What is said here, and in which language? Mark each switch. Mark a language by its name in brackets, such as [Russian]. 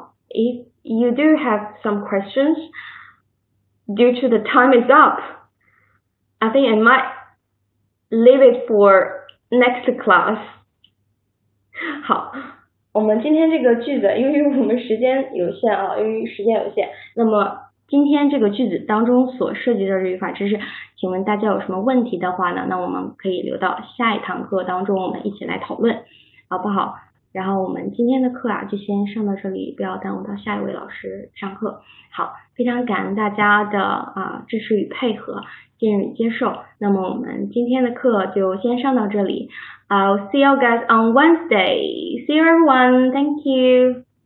[English] If you do have some questions, due to the time is up, I think I might leave it for next class. [Chinese] 好，我们今天这个句子，因为我们时间有限啊，由于时间有限，那么今天这个句子当中所涉及到的语法知识，请问大家有什么问题的话呢，那我们可以留到下一堂课当中我们一起来讨论，好不好？然后我们今天的课啊就先上到这里，不要耽误到下一位老师上课。好，非常感恩大家的支持与配合，信任与接受，那么我们今天的课就先上到这里。 [English] I'll see you guys on Wednesday. See you everyone. Thank you.